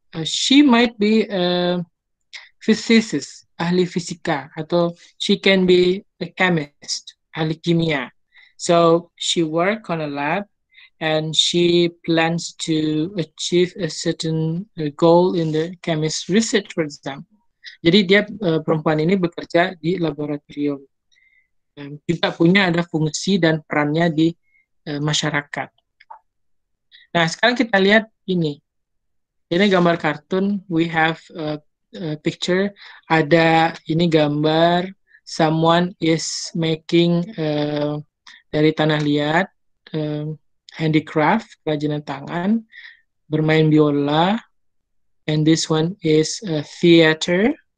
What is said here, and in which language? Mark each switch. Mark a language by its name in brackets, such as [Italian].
[English] She might be a physicist, [Indonesian] ahli fisika, [English] atau she can be a chemist, [Indonesian] ahli kimia. [English] So she works on a lab, and she plans to achieve a certain goal in the chemist research, for example. [Indonesian] Jadi dia perempuan ini bekerja di laboratorium. Juga punya ada fungsi dan perannya di masyarakat. Nah, sekarang kita lihat ini. Ini gambar kartun, [English] we have a picture, [Indonesian] ada ini gambar, [English] someone is making [Indonesian] dari tanah liat, handicraft, kerajinan tangan, bermain biola, [English] and this one is a theater,